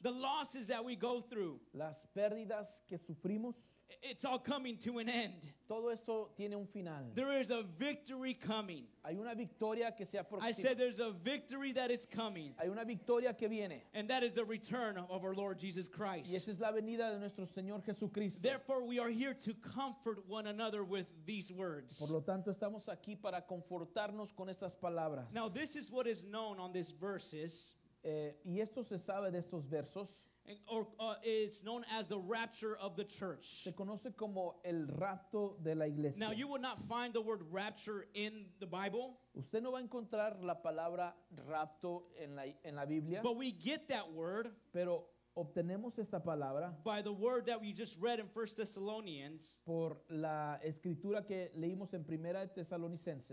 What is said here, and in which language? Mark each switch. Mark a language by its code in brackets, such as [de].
[en] The losses that we go through. [es] Las pérdidas que sufrimos. [en] It's all coming to an end. [es] Todo esto tiene un final. [en] There is a victory coming. [es] Hay una victoria que se aproxima. [en] I said there's a victory that is coming. [es] Hay una victoria que viene. [en] And that is the return of our Lord Jesus Christ. [es] Y esa es la venida de nuestro Señor Jesucristo. [en] Therefore we are here to comfort one another with these words. [es] Por lo tanto estamos aquí para confortarnos con estas palabras. [en] Now this is what is known on this verses. [es] Y esto se sabe de estos versos. [en] It's known as the rapture of the church. [es] Se conoce como el rapto de la iglesia. [en] Now you will not find the word rapture in the Bible. [es] Usted no va a encontrar la palabra rapto en la Biblia. [en] But we get that word. [es] Pero obtenemos esta palabra. [en] By the word that we just read in 1 Thessalonians. [es] Por la escritura que leímos en Primera de Tesalonicenses.